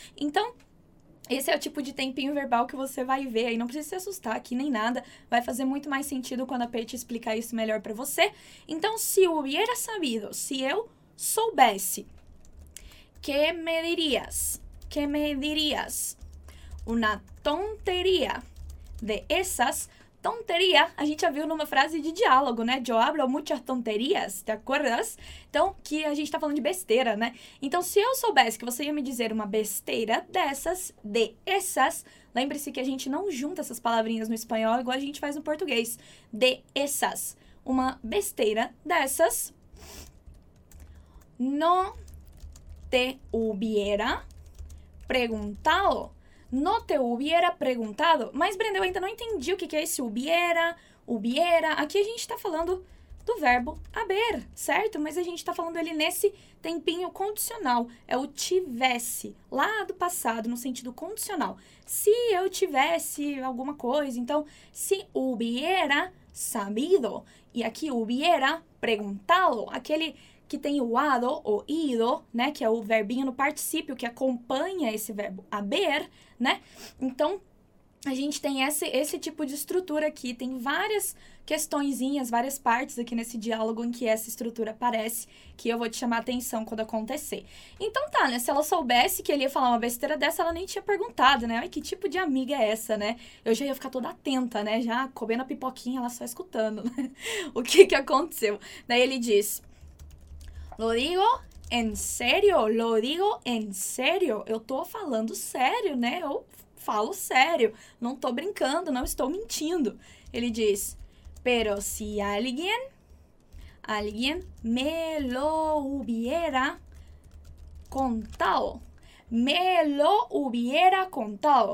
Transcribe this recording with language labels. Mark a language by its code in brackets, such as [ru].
[pt] Então, esse é o tipo de tempinho verbal que você vai ver aí, não precisa se assustar aqui nem nada, vai fazer muito mais sentido quando a Paty explicar isso melhor pra você. Então, se eu [es] hubiera sabido, [pt] se eu soubesse, [es] que me dirias, una tontería [pt] de essas. Tonteria, a gente já viu numa frase de diálogo, né? [es] Yo hablo muchas tonterías, ¿te acuerdas? [pt] Então, que a gente tá falando de besteira, né? Então, se eu soubesse que você ia me dizer uma besteira dessas, de essas, lembre-se que a gente não junta essas palavrinhas no espanhol igual a gente faz no português. De essas, uma besteira dessas, [es] no te hubiera preguntado. No te hubiera preguntado. [pt] Mas, Brenda, eu ainda não entendi o que é esse hubiera. Aqui a gente tá falando do verbo haber, certo? Mas a gente tá falando ele nesse tempinho condicional. É o tivesse, lá do passado, no sentido condicional. Se eu tivesse alguma coisa, então, se hubiera sabido. E aqui, hubiera preguntado, aquele que tem o hado ou ido, né? Que é o verbinho no particípio que acompanha esse verbo haber, né? Então, A gente tem esse tipo de estrutura aqui, tem várias questõezinhas, várias partes aqui nesse diálogo em que essa estrutura aparece, que eu vou te chamar a atenção quando acontecer. Então tá, né? Se ela soubesse que ele ia falar uma besteira dessa, ela nem tinha perguntado, né? Ai, que tipo de amiga é essa, né? Eu já ia ficar toda atenta, né? Já comendo a pipoquinha, ela só escutando, né? O que que aconteceu? Daí ele diz, [es] lo digo... En serio, lo digo en serio. [pt] Eu tô falando sério, né? Eu falo sério. Não tô brincando, não estou mentindo. Ele diz, [es] pero si alguien me lo hubiera contado. Me lo hubiera contado.